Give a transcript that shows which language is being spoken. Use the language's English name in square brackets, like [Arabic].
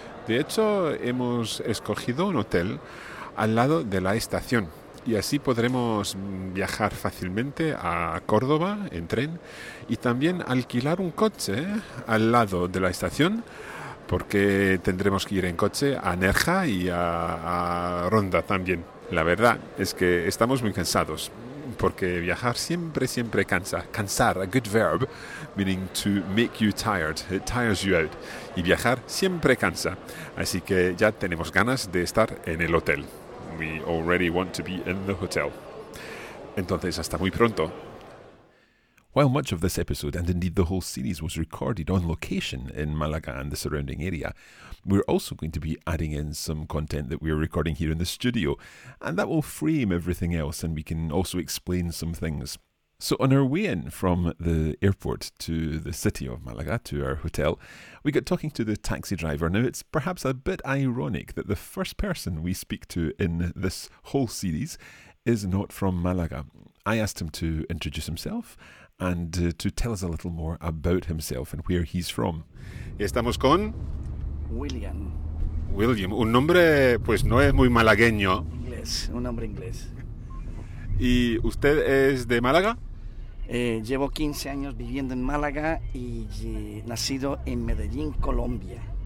[Spanish] De hecho, hemos escogido un hotel al lado de la estación y así podremos viajar fácilmente a Córdoba en tren y también alquilar un coche al lado de la estación, porque tendremos que ir en coche a Nerja y a Ronda también. La verdad es que estamos muy cansados, porque viajar siempre, siempre cansa. [English] Cansar, a good verb, meaning to make you tired, it tires you out. [Spanish] Y viajar siempre cansa. Así que ya tenemos ganas de estar en el hotel. [English] We already want to be in the hotel. [Spanish] Entonces, hasta muy pronto. [English] While much of this episode, and indeed the whole series, was recorded on location in Málaga and the surrounding area, we're also going to be adding in some content that we're recording here in the studio, and that will frame everything else, and we can also explain some things. So on our way in from the airport to the city of Málaga, to our hotel, we got talking to the taxi driver. Now, it's perhaps a bit ironic that the first person we speak to in this whole series is not from Málaga. I asked him to introduce himself and to tell us a little more about himself and where he's from. [Spanish] Estamos con... William. William, un nombre, pues, no es muy malagueño. Inglés, un nombre inglés. ¿Y usted es de Málaga? Llevo 15 años viviendo en Málaga y nacido en Medellín, Colombia.